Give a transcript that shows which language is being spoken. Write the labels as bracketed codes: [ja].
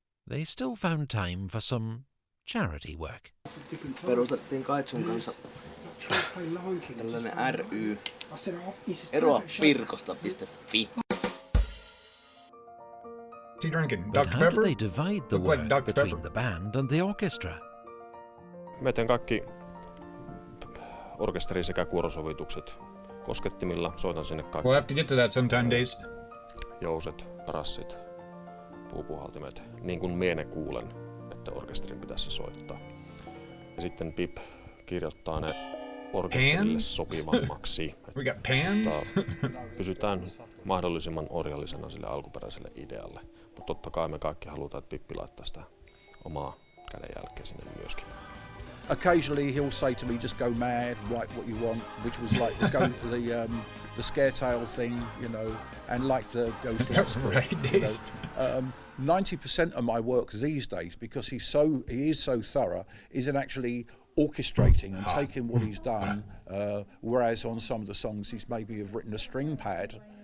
[en] They still found time for some charity work. [fi] Perustettiin Kaitsun kanssa tällainen ry eroa pirkosta.fi. [en] Is he drinking? But Dr. how Pepper? Do they divide the work like between the band and the orchestra? [fi] Mä teen kaikki orkesteri sekä kuorosovitukset koskettimilla, soitan sinne kaikki. [en] We'll have to get to that sometime, Dazed. [fi] Jouset, brassit, puupuhaltimet, niin kuin miene kuulen, että orkesterin pitäisi soittaa. Ja sitten Pip kirjoittaa ne orkesterille [en] pans? [fi] Sopivammaksi. [en] We got pans? [fi] Pysytään mahdollisimman orjallisena sille alkuperäiselle idealle. Mutta totta kai me kaikki halutaan, että Pippi laittaa sitä omaa kädenjälkeä sinne myöskin. [en] Occasionally he'll say to me, just go mad, write what you want, which was like the, the scare tale thing, you know, and like the ghost lights. Right, you know. 90% of my work these days, because he is so thorough, is in actually orchestrating and taking what he's done, whereas on some of the songs he's maybe have written a string pad.